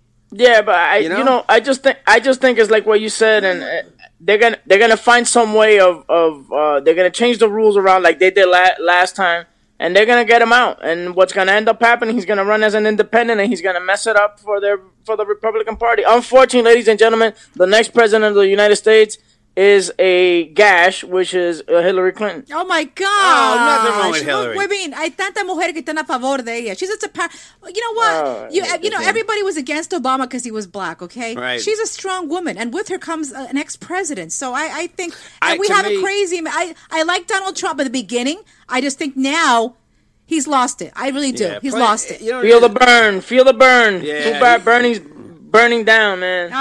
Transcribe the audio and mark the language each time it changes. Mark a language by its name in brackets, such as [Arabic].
[English] Yeah, but I just think it's like what you said, and they're gonna find some way they're gonna change the rules around like they did last time, and they're gonna get him out. And what's gonna end up happening? He's gonna run as an independent, and he's gonna mess it up for the Republican Party. Unfortunately, ladies and gentlemen, the next president of the United States is a gash, which is Hillary Clinton. Oh my God! Oh, nothing wrong with Hillary. I mean, [Spanish] hay tantas mujeres que están a favor de ella. [English] She's just a you know what? Everybody was against Obama because he was black. Okay, right. She's a strong woman, and with her comes an ex president. So I think I like Donald Trump at the beginning. I just think now he's lost it. I really do. Yeah, he's lost it. Feel the burn. Feel the burn. Yeah, burning. Burning down, man.